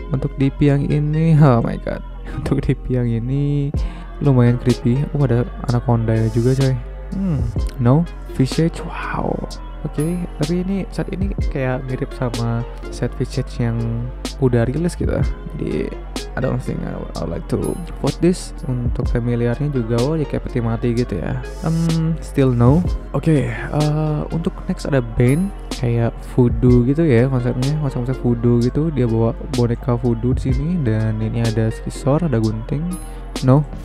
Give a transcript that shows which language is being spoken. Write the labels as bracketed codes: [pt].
[id] Untuk DP yang ini, [en] oh my god. [id] Untuk DP yang ini lumayan creepy. Oh, ada anaconda juga coy. No. Visage, wow. Oke, tapi ini saat ini kayak mirip sama set Visage yang udah rilis gitu. [en] Jadi I don't think I like to vote this. [id] Untuk familiarnya juga, oh ya kayak peti mati gitu ya. [en] Still no. [id] Oke, untuk next ada Bane. Kayak voodoo gitu ya konsepnya. Konsep-konsep voodoo gitu. Dia bawa boneka voodoo di sini. Dan ini ada scissor, ada gunting. No.